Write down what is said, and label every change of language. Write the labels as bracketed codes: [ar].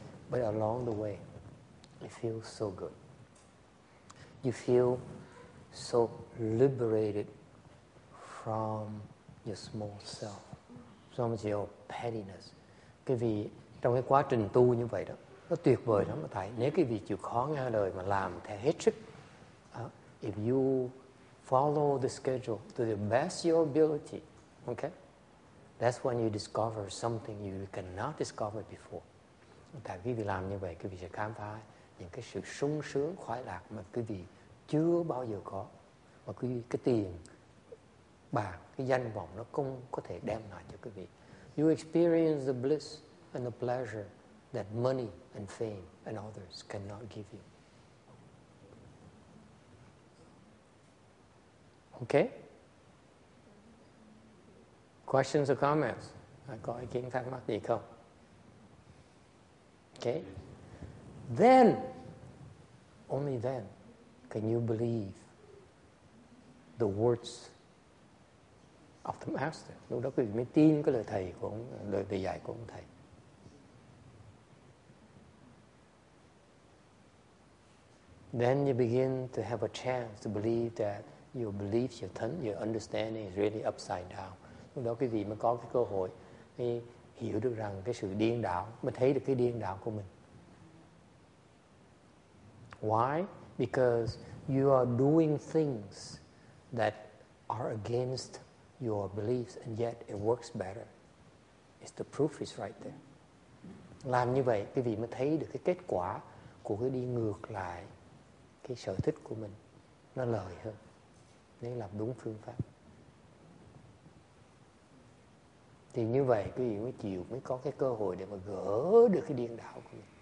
[en] But along the way, it feels so good. You feel so liberated from your small self, from your pettiness. [vi] Cái vì trong cái quá trình tu như vậy đó, nó tuyệt vời lắm mà thầy. Nếu cái vị chịu khó nghe lời mà làm theo hết sức, [en] if you follow the schedule to the best of your ability, okay? That's when you discover something you cannot discover before. [vi] Tại quý vị làm như vậy, quý vị sẽ khám phá những cái sự sung sướng, khoái lạc mà quý vị chưa bao giờ có. Và quý vị, cái tiền, bạc, cái danh vọng nó cũng có thể đem lại cho quý vị. [en] You experience the bliss and the pleasure that money and fame and others cannot give you. Okay? Questions or comments? [vi] Có ý kiến thắc mắc gì không? [en] Okay? Then, only then, can you believe the words of the Master. [vi] Lúc đó quý vị mới tin cái lời thầy của ông, lời dạy của ông thầy. [en] Then you begin to have a chance to believe that your beliefs, your thân, your understanding is really upside down. [vi] Lúc đó quý vị mới có cái cơ hội mới hiểu được rằng cái sự điên đảo, mới thấy được cái điên đảo của mình. [en] Why? Because you are doing things that are against your beliefs and yet it works better. It's the proof is right there. [vi] Làm như vậy, quý vị mới thấy được cái kết quả của cái đi ngược lại cái sở thích của mình nó lợi hơn nếu làm đúng phương pháp. Thì như vậy quý vị mới chịu, mới có cái cơ hội để mà gỡ được cái điên đảo của mình.